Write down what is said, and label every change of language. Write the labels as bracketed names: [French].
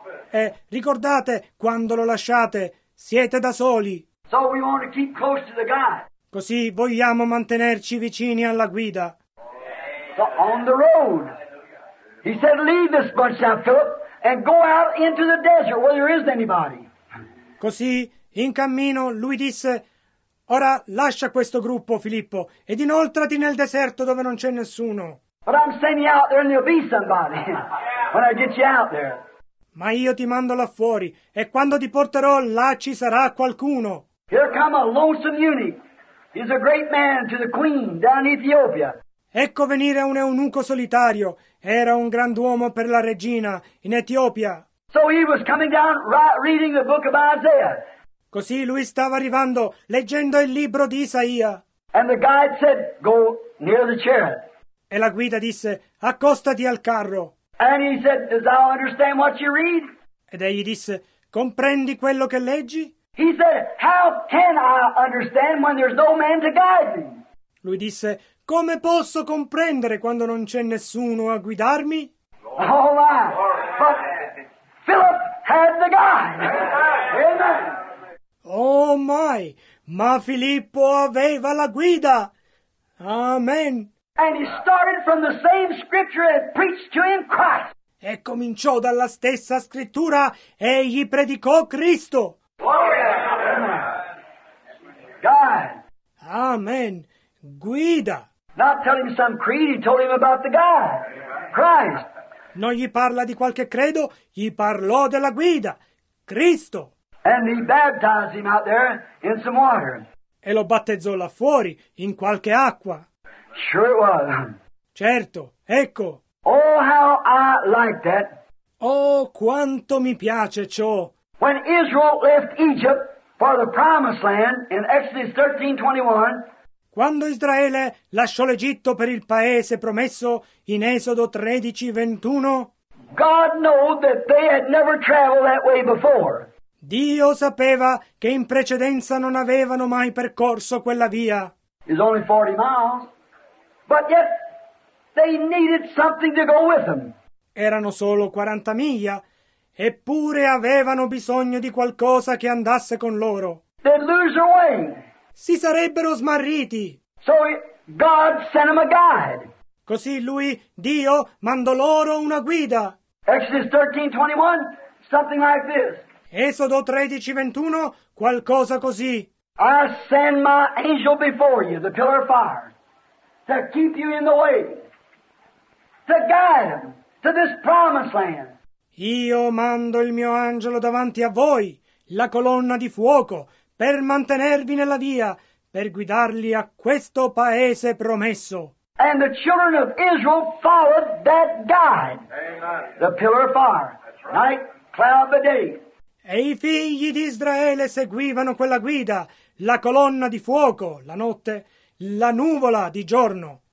[Italian] E ricordate, quando lo lasciate, siete da soli. [English] So we want to keep close to the guide. [Italian] Così vogliamo mantenerci vicini alla guida. [English] So on the road. He said, "Leave this bunch now, Philip, and go out into the desert where there isn't anybody." [Italian] Così, in cammino, lui disse, "Ora lascia questo gruppo, Filippo, ed inoltrati nel deserto dove non c'è nessuno." [English] But I'm sending you out there and there'll be somebody when I get you out there. [Italian] Ma io ti mando là fuori, e quando ti porterò là ci sarà qualcuno. [English] Here come a lonesome eunuch. He's a great man to the queen down in Ethiopia. [Italian] Ecco venire un eunuco solitario. Era un grand'uomo per la regina in Etiopia. [English] So he was coming down reading the book of Isaiah. [Italian] Così lui stava arrivando leggendo il libro di Isaia. [English] And the guide said, "Go near the chariot." [Italian] E la guida disse, "Accostati al carro." [English] And he said, "Does thou understand what you read?" [Italian] Ed egli disse, "Comprendi quello che leggi?" [English] He said, "How can I understand when there's no man to guide me?" [Italian] Lui disse, "Come posso comprendere quando non c'è nessuno a guidarmi?" [English] Oh my. But Philip had the guide. Amen. Amen. Oh my. [Italian] Ma Filippo aveva la guida. [English] Amen. And he started from the same scripture and preached to him Christ. [Italian] E cominciò dalla stessa scrittura e gli predicò Cristo. Gloria. [English] God. [Italian] Amen. Guida. [English] Not tell him some creed, he told him about the God. Christ. [Italian] Non gli parla di qualche credo, gli parlò della guida. Cristo. [English] And he baptized him out there in some water. [Italian] E lo battezzò là fuori, in qualche acqua. [English] Sure it was. [Italian] Certo, ecco. [English] Oh, how I like that. [Italian] Oh, quanto mi piace ciò. [English] When Israel left Egypt for the promised land in Exodus 13:21. [Italian] Quando Israele lasciò l'Egitto per il paese promesso in Esodo 13:21. [English] God knew that they had never traveled that way before. [Italian] Dio sapeva che in precedenza non avevano mai percorso quella via. [English] It's only 40 miles. But yet they needed something to go with them. [Italian] Erano solo 40 miglia, eppure avevano bisogno di qualcosa che andasse con loro. [English] They'd lose their way. [Italian] Si sarebbero smarriti. [English] So God sent them a guide. [Italian] Così lui, Dio, mandò loro una guida. [English] Exodus 13:21, something like this. [Italian] Esodo 13:21, qualcosa così. [English] I send my angel before you, the pillar of fire. To keep you in the way. To guide them to this promised land. [Italian] Io mando il mio angelo davanti a voi, la colonna di fuoco, per mantenervi nella via, per guidarli a questo paese promesso. [English] And the children of Israel followed that guide. Amen. The pillar of fire. That's right. Night, cloud by day. [Italian] E i figli di Israele seguivano quella guida, la colonna di fuoco, la notte, la nuvola di giorno.